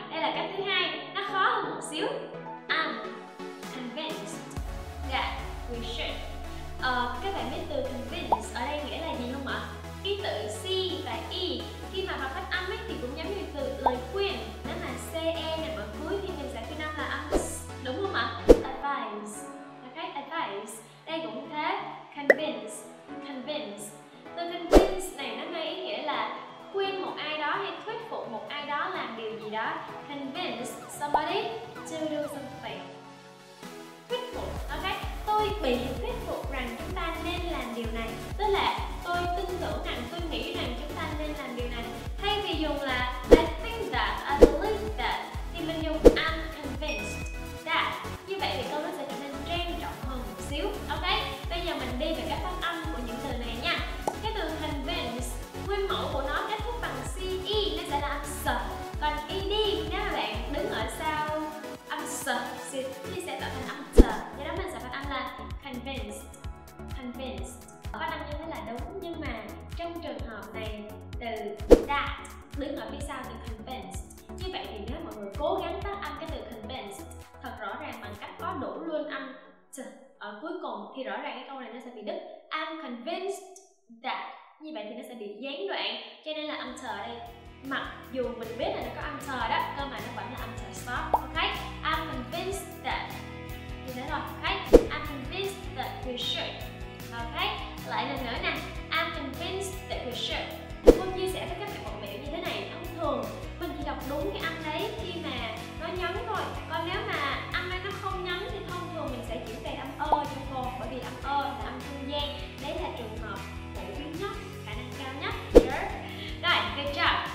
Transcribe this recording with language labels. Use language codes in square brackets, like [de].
[vi] Đây là cách thứ hai, nó khó hơn một xíu. [en] I'm convinced that we should. [vi] Các bạn biết từ convinced ở đây nghĩa là gì không ạ? Cái từ C và E khi mà vào cách âm ấy thì cũng giống như từ lời khuyên. Nếu mà C, E nằm ở cuối thì mình sẽ phiên âm là âm S, đúng không ạ? [en] Advise. Ok, advise. [vi] Đây cũng thế. [en] Convince. [vi] Từ convince này nó mang ý nghĩa là khuyên một ai đó hay thuyết phục một ai đó làm điều gì đó. [en] Convince somebody to do something. [vi] Thuyết phục, ok. Tôi bị thuyết phục rằng chúng ta nên làm điều này. Tức là tôi tin tưởng rằng, tôi nghĩ rằng chúng ta nên làm điều này. Thay vì dùng là [en] I think that, I believe that, [vi] thì mình dùng [en] I'm convinced that. [vi] Như vậy thì câu nó sẽ trở nên trang trọng hơn một xíu. Ok, Bây giờ mình đi về cách phát âm của những từ này nha. Cái từ convince, nguyên mẫu của nó kết thúc bằng CE, nó sẽ là âm S. Còn ED, nếu mà bạn đứng ở sau âm S thì sẽ tạo thành âm T. Do đó mình sẽ phát âm là convinced. Convinced phát âm như thế là đúng, nhưng mà trong trường hợp này từ that đứng ở phía sau từ convinced. Như vậy thì nếu mọi người cố gắng phát âm cái từ convinced thật rõ ràng bằng cách có đủ luôn âm T ở cuối cùng thì rõ ràng cái câu này nó sẽ bị đứt. [en] I'm convinced that. [vi] Như vậy thì nó sẽ bị gián đoạn, cho nên là âm T ở đây, mặc dù mình biết là nó có âm T đó, cơ mà nó vẫn là âm T stop. [en] Ok, I'm convinced that. [vi] Như thế rồi, [en] ok. I'm convinced that we should. Ok, [vi] lại lần nữa nè. [en] I'm convinced that we should. [vi] Phương chia sẻ với các bạn một mẹo như thế này. Thông thường mình chỉ đọc đúng cái âm đấy khi mà nó nhấn thôi. Còn nếu mà âm đấy nó không nhấn thì thông thường mình sẽ chuyển sang âm ơ cho cô. Bởi vì âm ơ là âm trung gian. Đấy là trường hợp phổ biến nhất, khả năng cao nhất. Rồi, [en] good job.